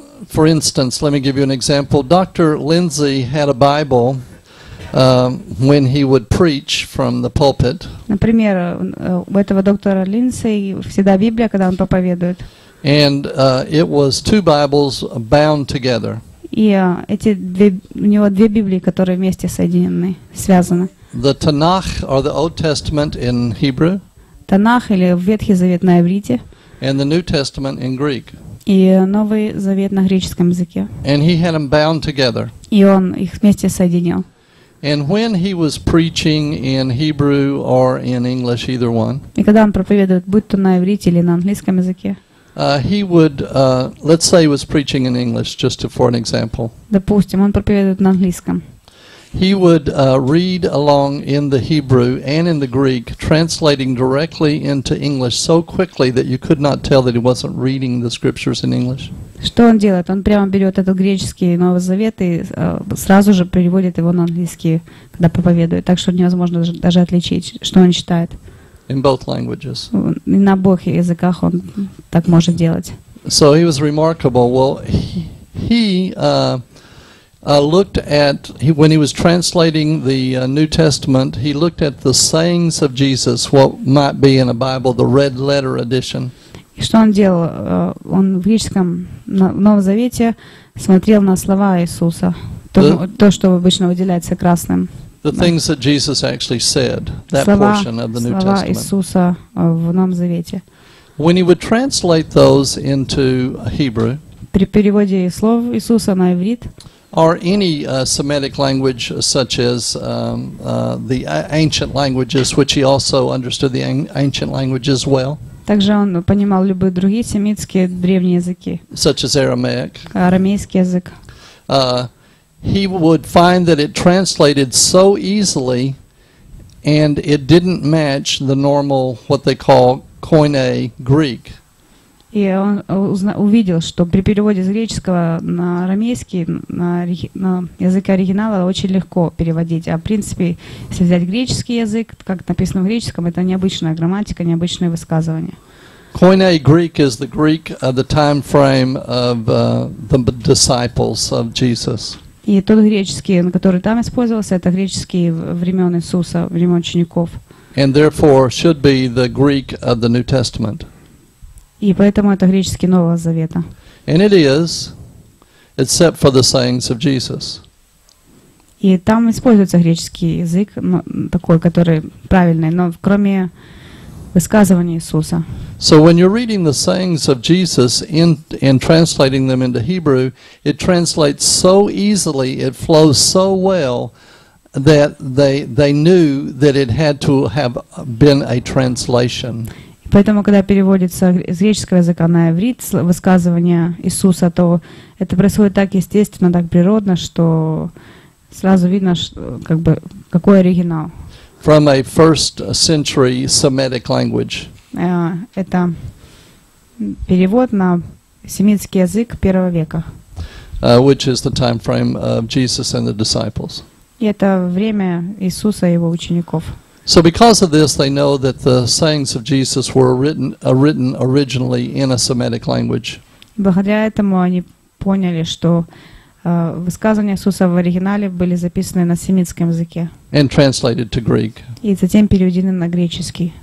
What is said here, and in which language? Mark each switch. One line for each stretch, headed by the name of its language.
English: For instance, let me give you an example. Dr. Lindsay had a Bible when he would preach from the pulpit.
Russian: Например, у этого доктора Линдси всегда Библия, когда он проповедует.
English: And it was two Bibles bound together.
Russian: И эти две, у него две Библии, которые вместе соединены, связаны.
English: The Tanakh or the Old Testament in Hebrew.
Russian: Танах или Ветхий Завет на иврите.
English: And the New Testament in Greek.
Russian: И Новый Завет на греческом языке.
English: And he had them bound together.
Russian: И он их вместе соединил.
English: And when he was preaching in Hebrew or in English, either one.
Russian: И когда он проповедует, будь то на иврите или на английском языке.
English: He would, let's say, he was preaching in English, just for an example.
Russian: Допустим, он проповедует на английском.
English: He would read along in the Hebrew and in the Greek, translating directly into English so quickly that you could not tell that he wasn't reading the scriptures in English.
Russian: Что он делает? Он прямо берет этот греческий Новый Завет и сразу же переводит его на английский, когда проповедует, так что невозможно даже отличить, что он читает.
English: In both languages.
Russian: И на обоих языках он так может делать.
English: So he was remarkable. Well, when he was translating the New Testament, he looked at the sayings of Jesus, what might be in a Bible, the red letter edition.
Russian: Что он делал? Он в греческом Новом Завете смотрел на слова Иисуса, то, что обычно выделяется красным.
English: The things that Jesus actually said, that portion of the New Testament.
Russian: Слова Иисуса в Новом Завете.
English: When he would translate those into Hebrew,
Russian: при переводе слов Иисуса на иврит.
English: Or any Semitic language, such as the ancient languages, which he also understood the ancient language as well.
Russian: Также он понимал любые другие семитские древние языки.
English: Such as Aramaic.
Russian: Арамейский язык.
English: He would find that it translated so easily, and it didn't match the normal what they call Koine Greek.
Russian: И он увидел, что при переводе с греческого на арамейский, на язык оригинала, очень легко переводить. А в принципе, если взять греческий язык, как написано в греческом, это необычная грамматика, необычные высказывания.
English: Koine Greek is the Greek of the time frame of the disciples of Jesus.
Russian: И тот греческий, который там использовался, это греческий времен Иисуса, времен учеников.
English: And therefore should be the Greek of the New Testament.
Russian: И поэтому это греческий Нового Завета.
English: And it is, except for the sayings of Jesus.
Russian: И там используется греческий язык, но такой, который правильный, но кроме высказываний Иисуса.
English: So when you're reading the sayings of Jesus and translating them into Hebrew, it translates so easily, it flows so well, that they knew that it had to have been a translation.
Russian: Поэтому, когда переводится с греческого языка на иврит высказывание Иисуса, то это происходит так естественно, так природно, что сразу видно, что, как бы, какой оригинал.
English: From a first century Semitic language.
Russian: Это перевод на семитский язык первого века.
English: Which is the time frame of Jesus and the disciples.
Russian: И это время Иисуса и его учеников.
English: So because of this, they know that the sayings of Jesus were written originally in a Semitic language.
Russian: Благодаря этому они поняли, что высказывания Иисуса в оригинале были записаны на семитском языке.
English: And translated to Greek.
Russian: И затем переведены на греческий.